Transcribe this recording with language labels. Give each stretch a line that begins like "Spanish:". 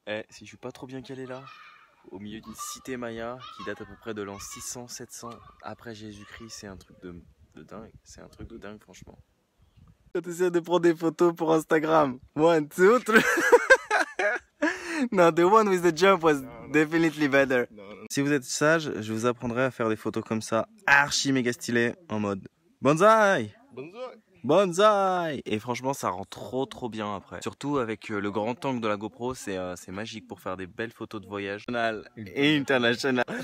French: Si je suis pas trop bien calé là, au milieu d'une cité maya qui date à peu près de l'an 600-700 après Jésus-Christ, c'est un truc de dingue. C'est un truc de dingue, franchement. Je t'essaie de prendre des photos pour Instagram.
English: One, two, three. Non, the one with the jump was definitely better.
French: Si vous êtes sage, je vous apprendrai à faire des photos comme ça, archi méga stylé, en mode bonsaï. Bonsaï. Et franchement, ça rend trop trop bien après. Surtout avec le grand angle de la GoPro, c'est magique pour faire des belles photos de voyage national et international.